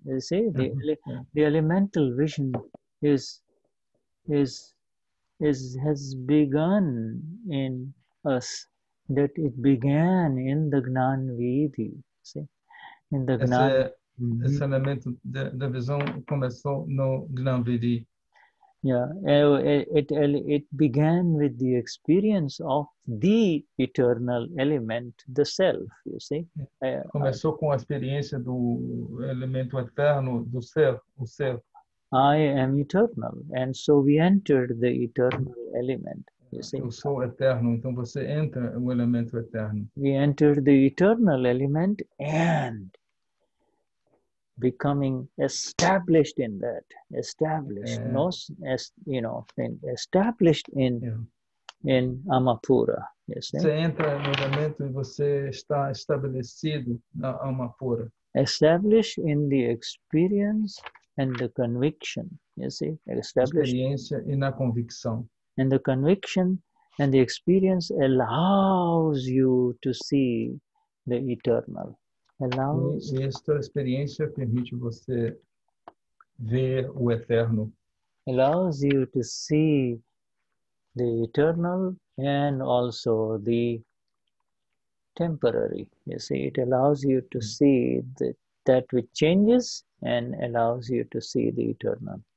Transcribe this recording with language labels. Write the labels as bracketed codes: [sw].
[en] You see, the elemental vision has begun in us, that it began in the Gnan Vidhi. See, in the Gnan. [pt] Esse elemento da visão começou no Gnan Vidhi. [en] Yeah, it began with the experience of the eternal element, the self, you see. [pt] Começou com a experiência do elemento eterno, do ser, o ser. [en] I am eternal, and so we entered the eternal element, you see. [pt] Eu sou eterno, então você entra o elemento eterno. [en] We entered the eternal element and becoming established in that, established, yeah. Not as you know, established in yeah. in Amapura. You see? [pt] Você entra no momento e você está estabelecido na Amapura. [en] Established in the experience and the conviction. You see, established. [pt] Experiência e na convicção. [en] And the conviction and the experience allows you to see the eternal. [pt] E esta experiência permite você ver o eterno. [en] Allows you to see the eternal and also the temporary. You see, it allows you to see that which changes and allows you to see the eternal.